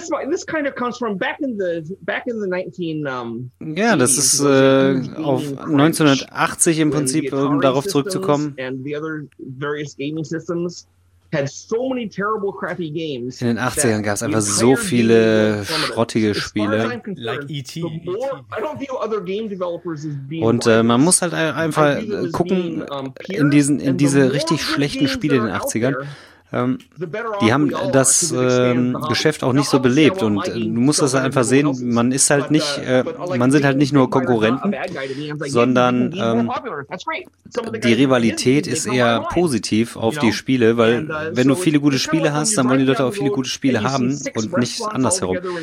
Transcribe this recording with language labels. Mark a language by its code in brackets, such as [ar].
[en] This kind of comes from back in the 19. [de] Ja, das ist auf 1980 im Prinzip, um darauf zurückzukommen. [en] And the other various gaming systems had so many terrible, crappy games. [de] In den 80ern gab es einfach so viele schrottige Spiele. [en] Like E.T. [de] Und man muss halt einfach gucken in diese richtig schlechten Spiele in den 80ern. Die haben das Geschäft auch nicht so belebt und du musst das einfach sehen, man ist halt nicht, man sind halt nicht nur Konkurrenten, sondern die Rivalität ist eher positiv auf die Spiele, weil wenn du viele gute Spiele hast, dann wollen die Leute auch viele gute Spiele haben und nicht andersherum.